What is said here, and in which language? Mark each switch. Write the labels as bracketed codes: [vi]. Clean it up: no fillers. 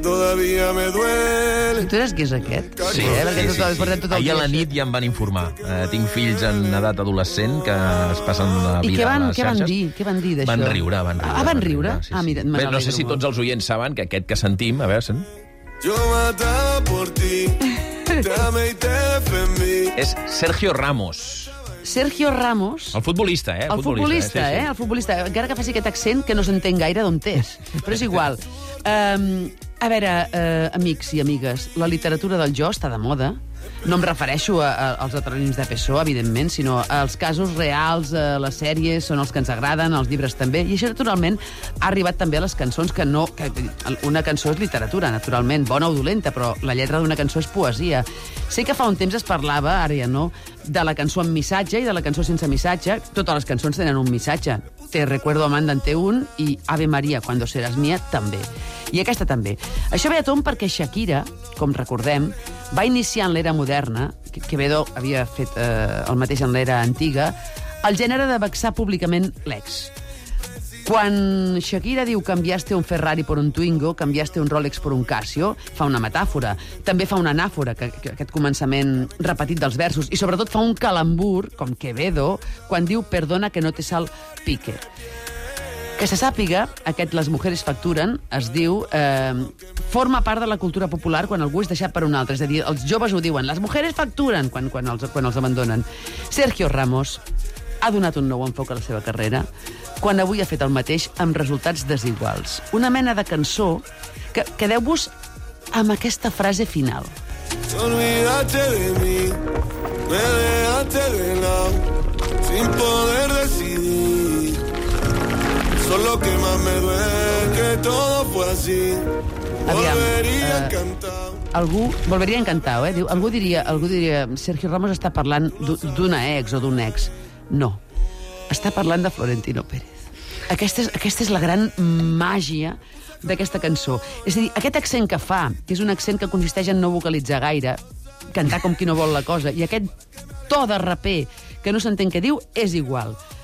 [es] Todavía me duele. [ca] Tu saps qui és aquest? Sí, Tot ahir a la nit ja em van informar. Tinc fills en edat adolescent que es passen la vida a les xarxes. I què van dir? Què van dir d'això? Van riure, van riure. Ah, van riure? Sí. Ah, mira, no sé si tots els oients saben que aquest que sentim... A veure, sent... [es] Yo matar por ti, te amé y te defendí. [ca] És Sergio Ramos. Sergio Ramos. El futbolista, eh? El futbolista. Encara que faci aquest accent, que no s'entén gaire d'on és. Però és igual. A veure, amics i amigues, la literatura del jo està de moda. No em refereixo als heterònims de Pessoa, evidentment, sinó als casos reals, les sèries són els que ens agraden, els llibres també, i això naturalment ha arribat també a les cançons que no... Que una cançó és literatura, naturalment, bona o dolenta, però la lletra d'una cançó és poesia. Sé que fa un temps es parlava, ara ja no, de la cançó amb missatge i de la cançó sense missatge. Totes les cançons tenen un missatge. Te recuerdo Amanda en T1 i Ave Maria, cuando serás mía, també. I aquesta també. Això ve a tomb perquè Shakira, com recordem, va iniciar en l'era moderna, Quevedo havia fet el mateix en l'era antiga, el gènere de vexar públicament l'ex. Quan Shakira diu canviaste un Ferrari por un Twingo, canviaste un Rolex por un Casio, fa una metàfora. També fa una anàfora, que aquest començament repetit dels versos. I sobretot fa un calambur, com Quevedo, quan diu perdona que no te sal pique. Que se sàpiga, aquest Les Mujeres Facturen, es diu, forma part de la cultura popular quan algú és deixat per un altre. És a dir, els joves ho diuen, Les Mujeres Facturen, quan els abandonen. Sergio Ramos ha donat un nou enfoc a la seva carrera quan avui ha fet el mateix amb resultats desiguals. Una mena de cançó que quedeu-vos amb aquesta frase final. [es] Olvídate de mí, me dejaste de lado, sin poder decidir. Solo que más me duele que todo fue así. Volvería a cantar. [ca] Algú volveria encantado, eh? Diu, algú diria, Sergio Ramos està parlant d'una ex o d'un ex. No. Està parlant de Florentino Pérez. Aquesta és la gran màgia d'aquesta cançó. És a dir, aquest accent que fa, que és un accent que consisteix en no vocalitzar gaire, cantar com qui no vol la cosa, i aquest to de raper que no s'entén què diu, és igual.